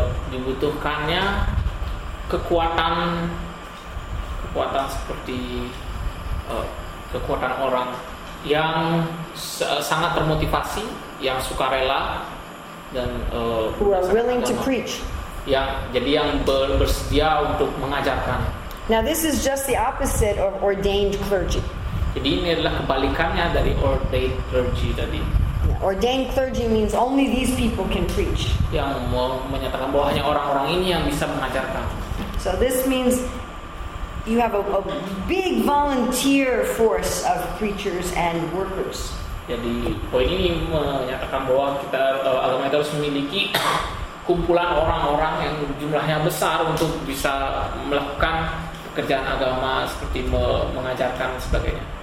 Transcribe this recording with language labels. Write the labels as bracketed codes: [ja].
[id] Dibutuhkannya kekuatan seperti kekuatan orang yang sangat termotivasi, yang sukarela dan [en] who are willing to preach. [id] Yang bersedia untuk mengajarkan. [en] Now this is just the opposite of ordained clergy. [id] Jadi ini adalah kebalikannya dari ordained clergy tadi. [en] Yeah, ordained clergy means only these people can preach. [id] Yang menyatakan bahwa hanya orang-orang ini yang bisa mengajarkan. [en] So this means you have a big volunteer force of preachers and workers. [id] Jadi poin ini menyatakan bahwa kita agama itu harus memiliki kumpulan orang-orang yang jumlahnya besar untuk bisa melakukan pekerjaan agama seperti mengajarkan sebagainya.